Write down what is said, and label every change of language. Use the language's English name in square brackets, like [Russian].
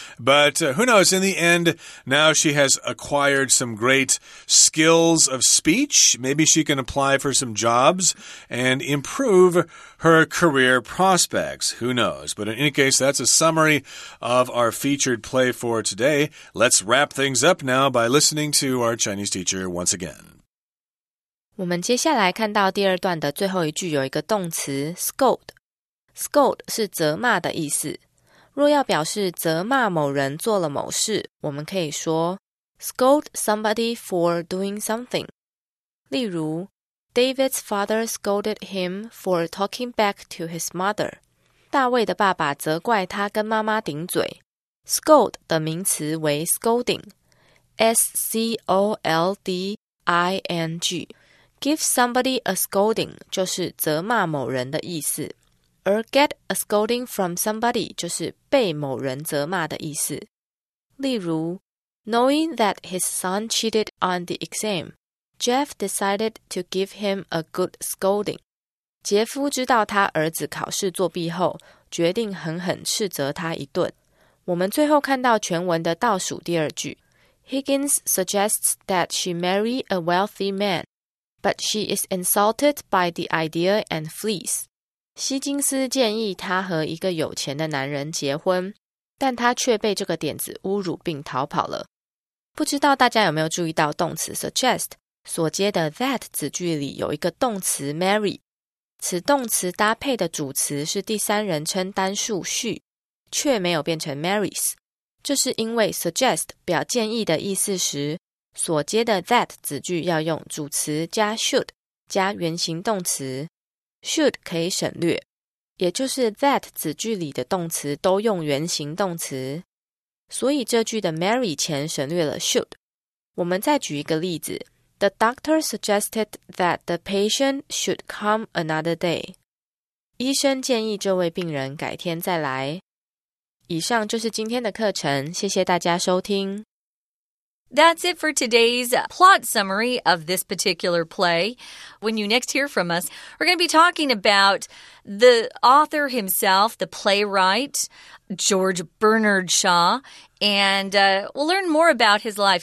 [English] But who knows? In the end, now she has acquired some great skills of speech. Maybe she can apply for some jobs and improve her career prospects. Who knows? But in any case, that's a summary of our featured play for today. Let's wrap things up now by listening to our Chinese teacher once again. [Chinese] 我们接下来看到第二段的最后一句有一个动词 scold。 scold 是责骂的意思。若要表示责骂某人做了某事，我们可以说 [English] scold somebody for doing something。 [Chinese] 例如 [English] ,David's father scolded him for talking back to his mother。 [Chinese] 大卫的爸爸责怪他跟妈妈顶嘴。 scold 的名词为 scolding,scolding。 [English] Give somebody a scolding [Chinese] 就是责骂某人的意思，而 [English] get a scolding from somebody [Chinese] 就是被某人责骂的意思。例如 [English] ,Knowing that his son cheated on the exam, Jeff decided to give him a good scolding. [Chinese] 杰夫知道他儿子考试作弊后，决定狠狠斥责他一顿。我们最后看到全文的倒数第二句 [English] ,Higgins suggests that she marry a wealthy man. But she is insulted by the idea and flees. [Chinese] 希金斯建议她和一个有钱的男人结婚，但她却被这个点子侮辱并逃跑了。不知道大家有没有注意到动词 suggest 所接的 that 子句里有一个动词 marry， 此动词搭配的主词是第三人称单数 she， 却没有变成 marries。这是因为 suggest 表建议的意思时，所接的 that 子句要用主词加 should 加原形动词， should 可以省略，也就是 that 子句里的动词都用原形动词，所以这句的 marry 前省略了 should。我们再举一个例子， [English] The doctor suggested that the patient should come another day， [Chinese] 医生建议这位病人改天再来。以上就是今天的课程，谢谢大家收听。 [English] That's it for today's plot summary of this particular play. When you next hear from us, we're going to be talking about the author himself, the playwright, George Bernard Shaw, and we'll learn more about his life.